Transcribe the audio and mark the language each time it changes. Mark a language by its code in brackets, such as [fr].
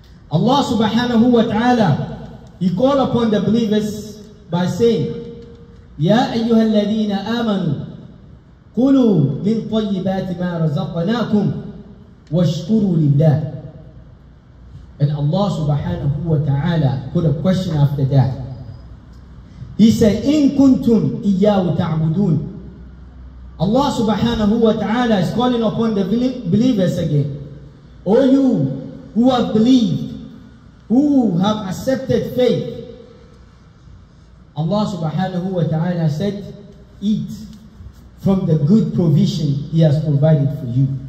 [en] Allah subhanahu wa ta'ala, He called upon the believers by saying, [ar] يَا أَيُّهَا الَّذِينَ آمَنُوا قُلُوا مِنْ طَيِّبَاتِ مَا رَزَقْنَاكُمْ وَاشْكُرُوا لِلَّهِ. [en] And Allah subhanahu wa ta'ala put a question after that. He said, [ar] إِن كُنْتُمْ إِيَّاهُ تَعْبُدُونَ. [en] Allah subhanahu wa ta'ala is calling upon the believers again. O you who have believed, who have accepted faith, Allah subhanahu wa ta'ala said, eat from the good provision He has provided for you.